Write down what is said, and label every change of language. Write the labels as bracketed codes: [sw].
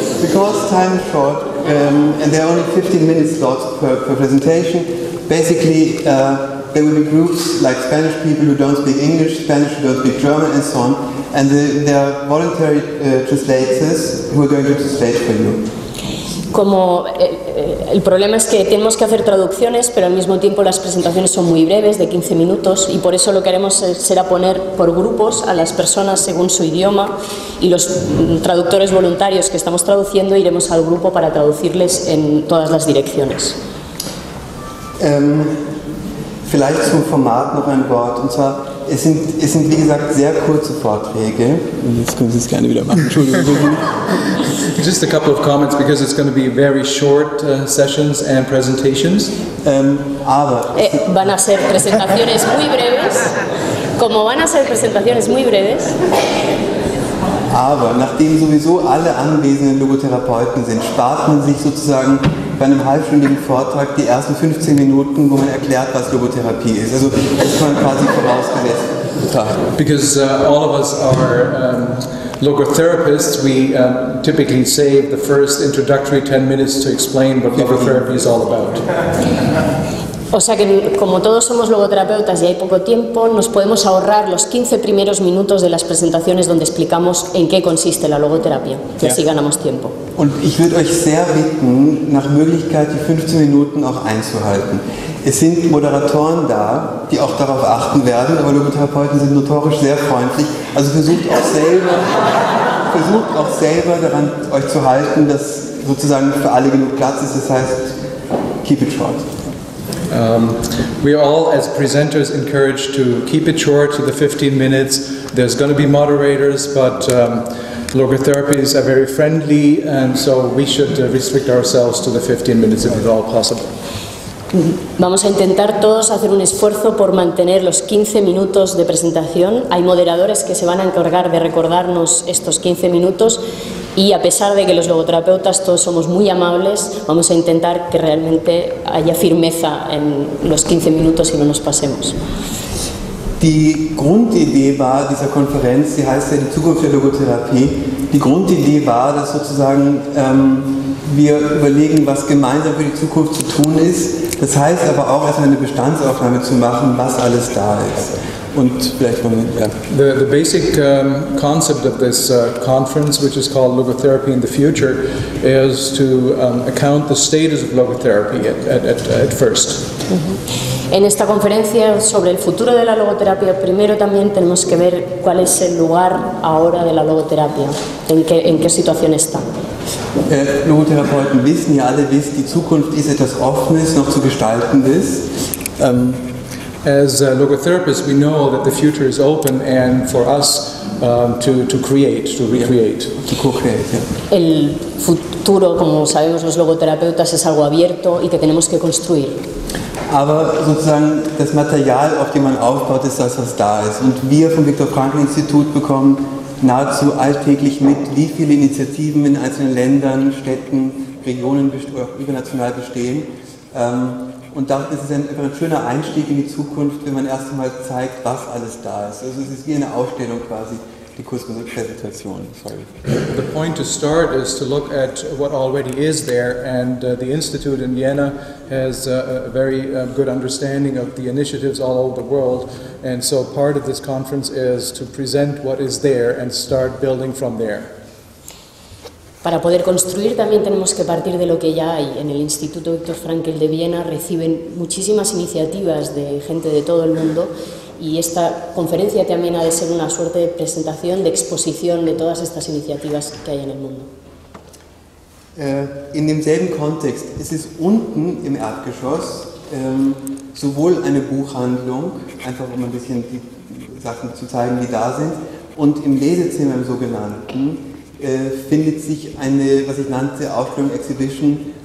[en] Because time is short, and there are only 15 minutes slots per presentation, basically there will be groups like Spanish people who don't speak English, Spanish who don't speak German, and so on, and there are voluntary translators who are going to translate for you. [es] Como el problema es que tenemos que hacer traducciones, pero al mismo tiempo las presentaciones son muy breves, de 15 minutos, y por eso lo que haremos será poner por grupos a las personas según su idioma, y los traductores voluntarios que estamos traduciendo iremos al grupo para traducirles en todas las direcciones. [de] Vielleicht zum Format noch ein Wort, und zwar, es sind wie gesagt sehr kurze Vorträge. Jetzt können Sie es gerne wieder machen, Entschuldigung. [en] Just a couple of comments, because it's going to be very short sessions and presentations. [es] Van a ser presentaciones muy breves. Como van a ser presentaciones muy breves. [de] Aber nachdem sowieso alle anwesenden Logotherapeuten sind, spart man sich sozusagen bei einem halbstündigen Vortrag die ersten 15 Minuten, wo man erklärt, was Logotherapie ist. Also das ist man quasi vorausgesetzt. [en] Because all of us are logotherapists, we typically save the first introductory 10 minutes to explain what logotherapy is all about. [es] O sea que como todos somos logoterapeutas y hay poco tiempo, nos podemos ahorrar los 15 primeros minutos de las presentaciones donde explicamos en qué consiste la logoterapia, que así ganamos tiempo. [de] Und ich würde euch sehr bitten, nach Möglichkeit die 15 Minuten auch einzuhalten. Es sind Moderatoren da, die auch darauf achten werden, aber Logotherapeuten sind notorisch sehr freundlich. Also versucht auch selber daran, euch zu halten, dass sozusagen für alle genug Platz ist. Das heißt, [en] keep it short. We are all, as presenters, encouraged to keep it short to the 15 minutes. There's going to be moderators, but logotherapies are very friendly, and so we should restrict ourselves to the 15 minutes if at all possible. [es] Vamos a intentar todos hacer un esfuerzo por mantener los 15 minutos de presentación. Hay moderadores que se van a encargar de recordarnos estos 15 minutos y a pesar de que los logoterapeutas todos somos muy amables, vamos a intentar que realmente haya firmeza en los 15 minutos y no nos pasemos. [de] Die Grundidee war dieser Konferenz, die heißt ja die Zukunft der Logotherapie, die Grundidee war, dass sozusagen wir überlegen, was gemeinsam für die Zukunft zu tun ist. Das heißt aber auch, erstmal eine Bestandsaufnahme zu machen, was alles da ist. Und vielleicht von mir, ja. [en] The basic concept of this conference, which is called Logotherapy in the Future, is to account the status of logotherapy at first. [es] En esta conferencia sobre el futuro de la logoterapia, primero también tenemos que ver cuál es el lugar ahora de la logoterapia, en qué situación está. [de] Logotherapeuten wissen ja alle, dass die Zukunft ist etwas Offenes, noch zu gestaltendes. [en] As logotherapists, we know that the future is open and for us to create, to recreate. To co-create, yeah. [es] El futuro, como sabemos los logoterapeutas, es algo abierto y que tenemos que construir. [de] Aber sozusagen das Material, auf dem man aufbaut, ist das, was da ist. Und wir vom Viktor Frankl Institut bekommen nahezu alltäglich mit, wie viele Initiativen in einzelnen Ländern, Städten, Regionen auch international bestehen. Und da ist es einfach ein schöner Einstieg in die Zukunft, wenn man erst einmal zeigt, was alles da ist. Also es ist wie eine Ausstellung quasi. [en] The point to start is to look at what already is there, and the Institute in Vienna has a very good understanding of the initiatives all over the world, and so part of this conference is to present what is there and start building from there. [es] Para poder construir también tenemos que partir de lo que ya hay. En el Instituto Viktor Frankl de Viena reciben muchísimas iniciativas de gente de todo el mundo, y esta conferencia también ha de ser una suerte de presentación, de exposición de todas estas iniciativas que hay en el mundo. [de] In demselben Kontext, es ist unten im Erdgeschoss sowohl eine Buchhandlung, einfach um ein bisschen die Sachen zu zeigen, die da sind, und im Lesezimmer im sogenannten findet sich eine, was ich nannte, Ausstellung, Exhibition